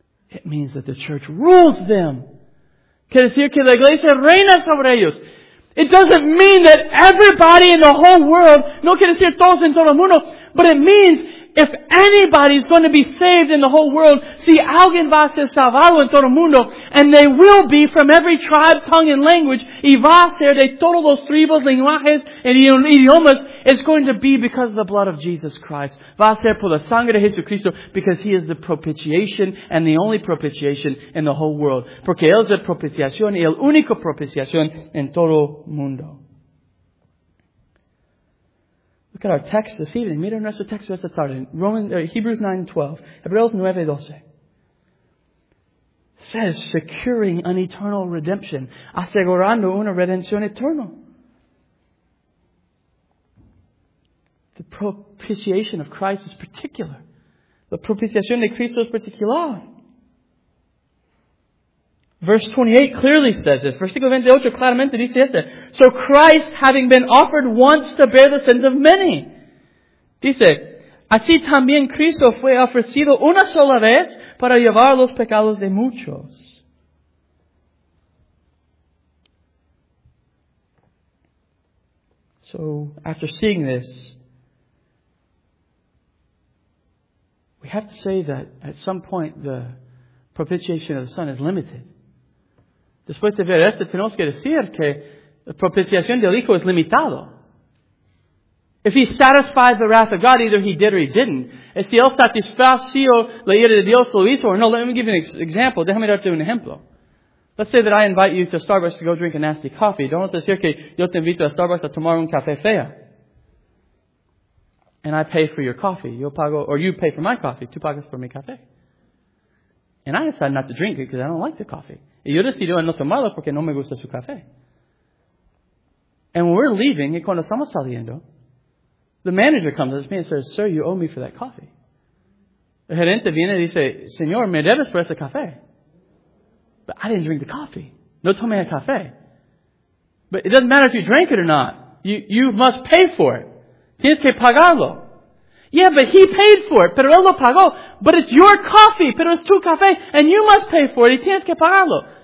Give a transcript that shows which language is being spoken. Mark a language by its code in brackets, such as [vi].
[en] It means that the church rules them. [es] Quiere decir que la iglesia reina sobre ellos. [en] It doesn't mean that everybody in the whole world, [es] no quiere decir todos en todo el mundo, [en] but it means if anybody is going to be saved in the whole world, [es] si alguien va a ser salvado en todo el mundo, [en] and they will be from every tribe, tongue, and language, [es] y va a ser de todos los tribus, lenguajes, [en] and idiomas, it's going to be because of the blood of Jesus Christ. [es] Va a ser por la sangre de Jesucristo, [en] because He is the propitiation and the only propitiation in the whole world. [es] Porque Él es la propiciación y el único propiciación en todo mundo. [en] Look at our text this evening. [es] Mira nuestro texto esta tarde. Hebrews 9:12. Hebreos 9:12. [en] Says, securing an eternal redemption. [es] Asegurando una redención eterna. [en] The propitiation of Christ is particular. [es] La propiciación de Cristo es particular. [en] Verse 28 clearly says this. [es] Versículo 28 claramente dice esto. [en] So Christ, having been offered once to bear the sins of many, [es] dice, así también Cristo fue ofrecido una sola vez para llevar los pecados de muchos. [en] So, after seeing this, we have to say that at some point the propitiation of the Son is limited. [es] Después de ver esto, tenemos que decir que la propiciación del Hijo es limitado. [en] If He satisfied the wrath of God, either He did or He didn't. [es] Si Él satisfació la ira de Dios, lo hizo o no. [en] Let me give you an example. [es] Déjame darte un ejemplo. [en] Let's say that I invite you to Starbucks to go drink a nasty coffee. Don't decir que yo te invito a Starbucks a tomar un café feo. And I pay for your coffee. [es] Yo pago, [en] or you pay for my coffee. [es] Tú pagas por mi café. [en] And I decide not to drink it because I don't like the coffee. [es] Y yo decido no tomarlo porque no me gusta su café. [en] And when we're leaving, [es] y cuando estamos saliendo, [en] the manager comes up to me and says, sir, you owe me for that coffee. [es] El gerente viene y dice, señor, me debes por ese café. [en] But I didn't drink the coffee. [es] No tomé el café. [en] But it doesn't matter if you drank it or not. You must pay for it. [es] Tienes que pagarlo. [en] Yeah, but he paid for it. [es] Pero él lo pagó. [en] But it's your coffee. [es] Pero es tu café. [en] And you must pay for it. [es] Y tienes que pagarlo.